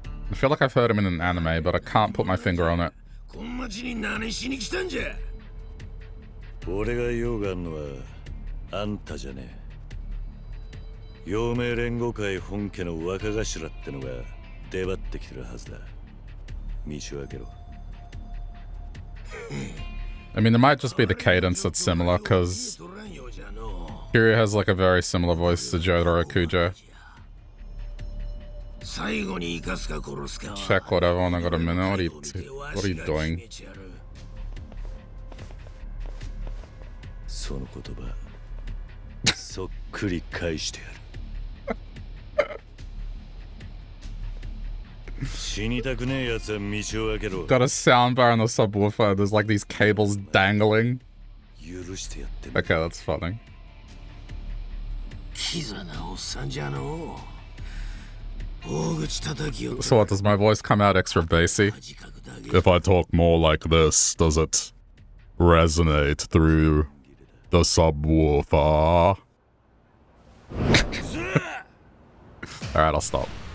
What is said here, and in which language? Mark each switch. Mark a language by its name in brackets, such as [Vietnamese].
[English] I feel like I've heard him in an anime, but I can't put my finger on it. [Japanese] こん町に何しに来たんじゃ。俺が用があんのは、あんたじゃねえ。陽明連合会本家の若頭ってのが出張ってきてるはずだ。道を開けろ。 [English] I mean, it might just be the cadence that's similar, because Kiryu has like a very similar voice to Jotaro Kujo. Check whatever, and I got a minute. What are you doing? [Japanese] その言葉、そっくり返してやる。死にたくねえ奴は道を開けろ。 [English] Got a soundbar on the subwoofer. There's like these cables dangling. [Japanese] 許してやってね。 [English] Okay, that's funny. [Japanese] キザなおっさんじゃの。大口叩きよ。 [English] So what, does my voice come out extra bassy? If I talk more like this, does it resonate through the subwoofer? Alright, I'll stop.